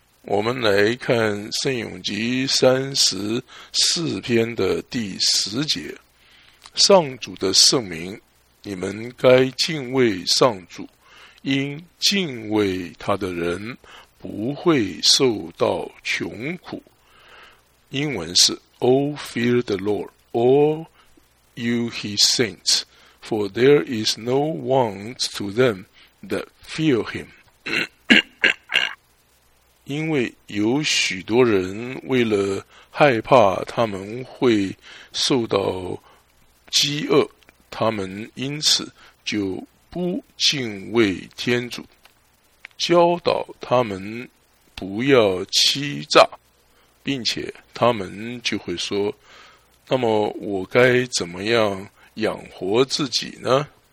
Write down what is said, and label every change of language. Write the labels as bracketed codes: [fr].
[zh] 我们来看圣咏集34的10，上主的圣名，你们该敬畏上主，因敬畏他的人不会受到穷苦。英文是 [en] O fear the Lord, all you his saints, for there is no want to them that fear him. [zh] 因为有许多人为了害怕他们会受到饥饿，他们因此就不敬畏天主，教导他们不要欺诈，并且他们就会说，那么我该怎么样养活自己呢？